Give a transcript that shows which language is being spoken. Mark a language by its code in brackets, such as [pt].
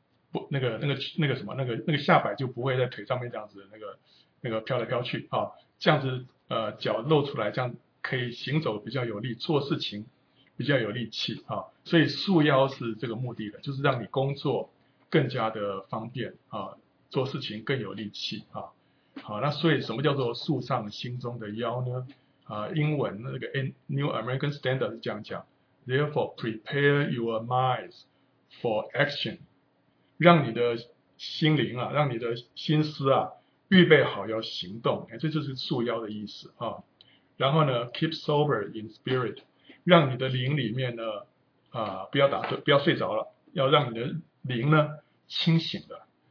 [zh] 不那个什么那个下摆就不会在腿上面这样子那个飘来飘去啊，这样子脚露出来，这样可以行走比较有力，做事情比较有力气啊。所以束腰是这个目的的，就是让你工作更加的方便啊，做事情更有力气啊。好，那所以什么叫做束上心中的腰呢？英文那个 [en] New American Standard [zh] 是这样讲 [en] ：Therefore, prepare your minds for action。 [zh] 让你的心灵啊，让你的心思啊，预备好要行动，这就是束腰的意思啊。然后呢 ， [en] keep sober in spirit， [zh] 让你的灵里面呢，不要打盹，不要睡着了，要让你的灵呢清醒的。